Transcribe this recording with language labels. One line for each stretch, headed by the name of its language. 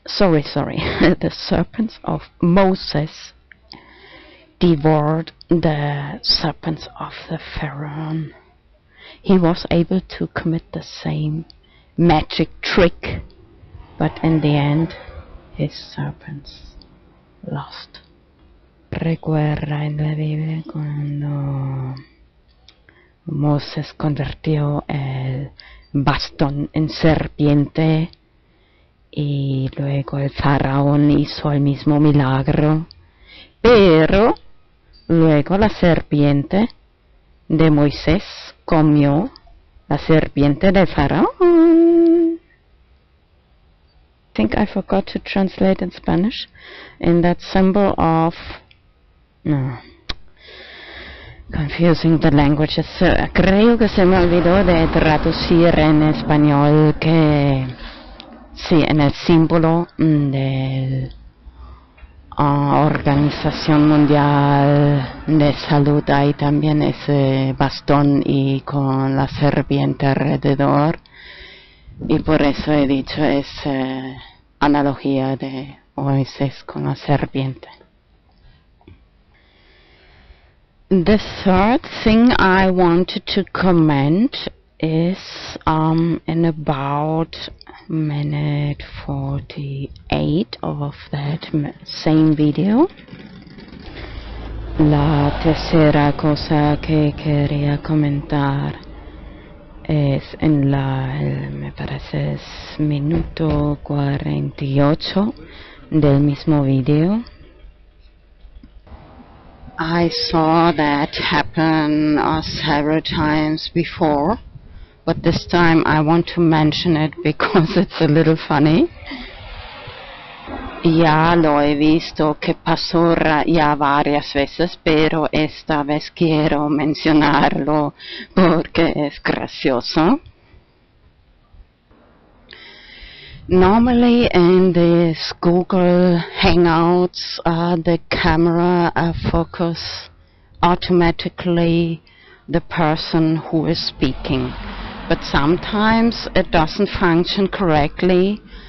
English: Sorry. The serpents of Moses devoured the serpents of the Pharaoh. He was able to commit the same magic trick, but in the end, his serpents lost.
Spanish: Recuerda en la Biblia cuando Moses convirtió el bastón en serpiente y luego el faraón hizo el mismo milagro, pero luego la serpiente de Moisés comió la serpiente del faraón.
English: I think I forgot to translate in Spanish. In that symbol of... No. Confusing the languages.
Spanish: Creo que se me olvidó de traducir en español que... Sí, en el símbolo de la Organización Mundial de Salud hay también ese bastón y con la serpiente alrededor. Y por eso he dicho ese... analogía de Moisés con la serpiente.
English: The third thing I wanted to comment is in about minute 48 of that same video.
Spanish: La tercera cosa que quería comentar es en la, me parece, es minuto 48 del mismo video.
English: I saw that happen several times before, but this time I want to mention it because it's a little funny.
Spanish: Ya lo he visto que pasó ya varias veces, pero esta vez quiero mencionarlo porque es gracioso.
English: Normally in these Google Hangouts, the camera focus automatically the person who is speaking. But sometimes it doesn't function correctly.